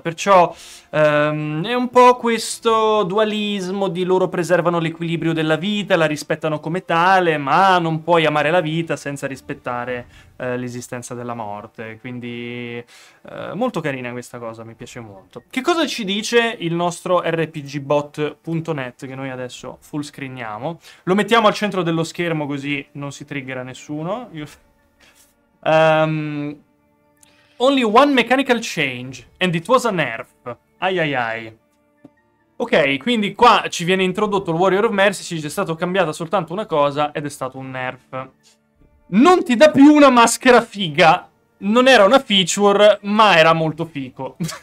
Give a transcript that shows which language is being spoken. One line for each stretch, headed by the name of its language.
Italian: Perciò è un po' questo dualismo di loro preservano l'equilibrio della vita, la rispettano come tale, ma non puoi amare la vita senza rispettare l'esistenza della morte. Quindi molto carina questa cosa, mi piace molto. Che cosa ci dice il nostro rpgbot.net che noi adesso full screeniamo? Lo mettiamo al centro dello schermo così non si triggera nessuno.
English: Only one mechanical change and it was a nerf. Ai.
Italian: Ok, quindi qua ci viene introdotto il Warrior of Mercy. Ci è stato cambiata soltanto una cosa ed è stato un nerf. Non ti dà più una maschera figa. Non era una feature, ma era molto fico.